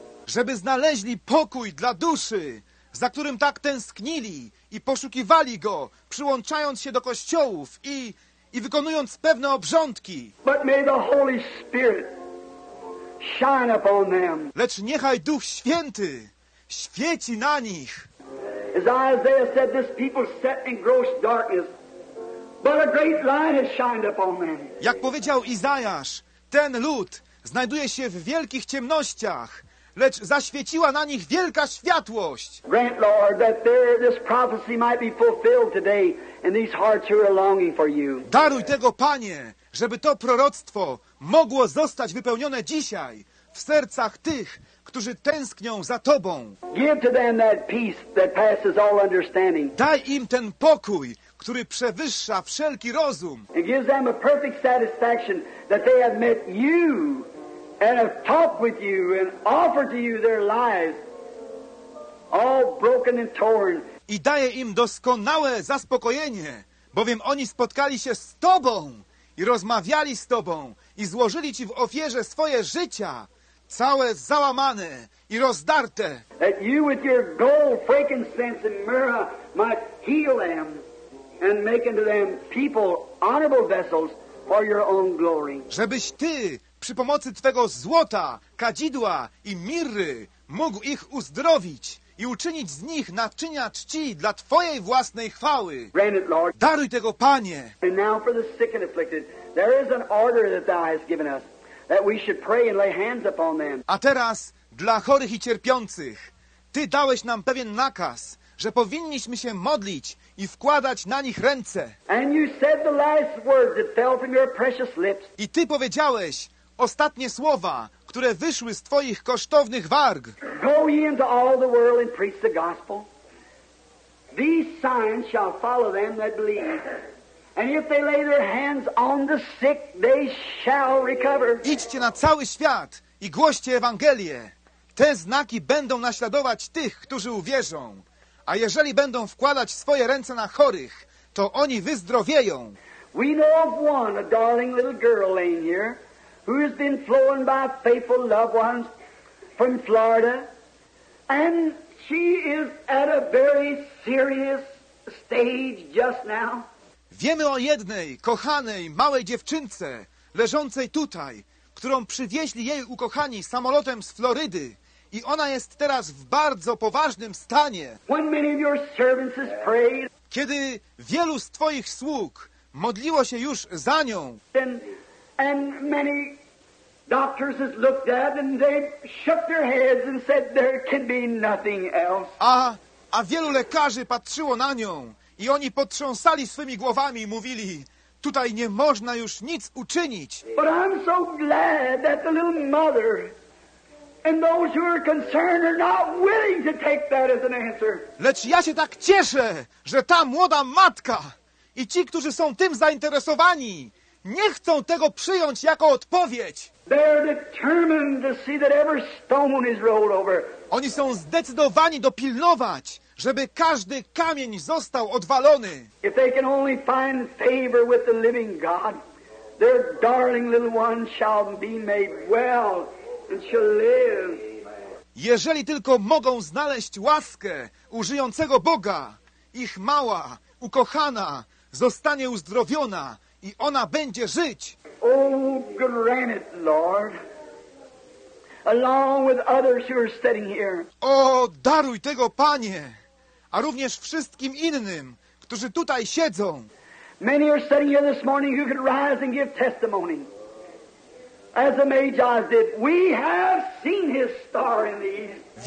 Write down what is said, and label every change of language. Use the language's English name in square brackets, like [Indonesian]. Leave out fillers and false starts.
[Polish] Żeby znaleźli pokój dla duszy, za którym tak tęsknili i poszukiwali go, przyłączając się do kościołów i wykonując pewne obrządki. [English] But may the Holy Spirit shine upon them. [Polish] Lecz niechaj Duch Święty świeci na nich. [English] As Isaiah said, this people sat in gross darkness, but a great light has shined upon them. [Polish] Jak powiedział Izajasz, ten lud znajduje się w wielkich ciemnościach, lecz zaświeciła na nich wielka światłość. [English] Grant, Lord, that there this prophecy might be fulfilled today in these hearts who are longing for you. [Polish] Daruj tego, Panie, żeby to proroctwo mogło zostać wypełnione dzisiaj w sercach tych, którzy tęsknią za Tobą. [English] Give to them that peace that passes all understanding. [Polish] Daj im ten pokój, który przewyższa wszelki rozum. [English] It gives them a perfect satisfaction that they have met you and have talked with you and offered to you their lives all broken and torn. [Polish] I daje im doskonałe zaspokojenie, bowiem oni spotkali się z Tobą i rozmawiali z Tobą i złożyli Ci w ofierze swoje życia, całe załamane i rozdarte. [English] That you with your gold, frankincense and myrrh might heal them and make unto them people honorable vessels for your own glory. [Polish] Żebyś Ty przy pomocy Twego złota, kadzidła i mirry mógł ich uzdrowić i uczynić z nich naczynia czci dla Twojej własnej chwały. [English] Grant it, Lord. [Polish] Daruj tego, Panie. [English] And now for the sick and afflicted, there is an order that Thou hast given us, that we should pray and lay hands upon them. [Polish] A teraz dla chorych i cierpiących, Ty dałeś nam pewien nakaz, że powinniśmy się modlić i wkładać na nich ręce. [English] And you said the last words that fell from your precious lips. [Polish] I Ty powiedziałeś ostatnie słowa, które wyszły z Twoich kosztownych warg. [English] Go ye into all the world and preach the gospel. These signs shall follow them that believe. And if they lay their hands on the sick, they shall recover. [Polish] Idźcie na cały świat i głoście Ewangelię. Te znaki będą naśladować tych, którzy uwierzą. A jeżeli będą wkładać swoje ręce na chorych, to oni wyzdrowieją. [English] We know of one, a darling little girl laying here, who has been flown by faithful loved ones from Florida, and she is at a very serious stage just now. [Polish] Wiemy o jednej kochanej małej dziewczynce leżącej tutaj, którą przywieźli jej ukochani samolotem z Florydy, i ona jest teraz w bardzo poważnym stanie. [English] When many of your servants has prayed, [Polish] kiedy wielu z Twoich sług modliło się już za nią, [English] and many doctors has looked at and they shook their heads and said there can be nothing else. [Polish] A wielu lekarzy patrzyło na nią. I oni potrząsali swymi głowami i mówili, tutaj nie można już nic uczynić. [English] But I'm so glad that the little mother and those who are concerned are not willing to take that as an answer. [Polish] Lecz ja się tak cieszę, że ta młoda matka i ci, którzy są tym zainteresowani, nie chcą tego przyjąć jako odpowiedź. [English] They're determined to see that every stone is rolled over. [Polish] Oni są zdecydowani dopilnować, żeby każdy kamień został odwalony. [English] If they can only find favor with the living God, their darling little one shall be made well and shall live. [Polish] Jeżeli tylko mogą znaleźć łaskę u żyjącego Boga, ich mała, ukochana zostanie uzdrowiona i ona będzie żyć. [English] Oh, grant it, Lord, along with others who are sitting here. [Polish] O, daruj tego, Panie, a również wszystkim innym, którzy tutaj siedzą. [English] Many are sitting here this morning who could rise and give testimony. As the Magi did, we have seen his star in the east.